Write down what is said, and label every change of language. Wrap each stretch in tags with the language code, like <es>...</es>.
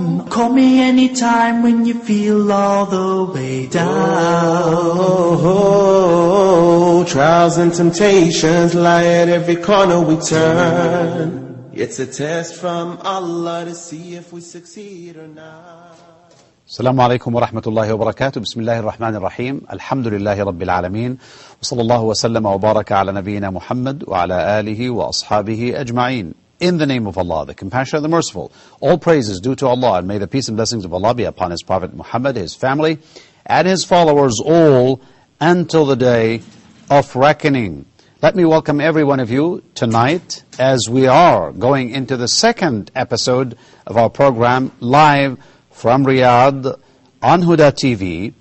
<en>Call me anytime when you feel all the way down. Oh, trials and temptations lie at every corner we turn. It's a test from Allah to see if we succeed or not.</en> <ar>السلام عليكم ورحمة الله وبركاته. بسم الله الرحمن الرحيم. الحمد لله رب العالمين، وصلى الله وسلم وبارك على نبينا محمد وعلى آله وأصحابه أجمعين.</ar> <en>In the name of Allah, the Compassionate, the Merciful, all praises due to Allah, and may the peace and blessings of Allah be upon His Prophet Muhammad, His family, and His followers all until the day of reckoning. Let me welcome every one of you tonight as we are going into the second episode of our program live from Riyadh on Huda TV.</en>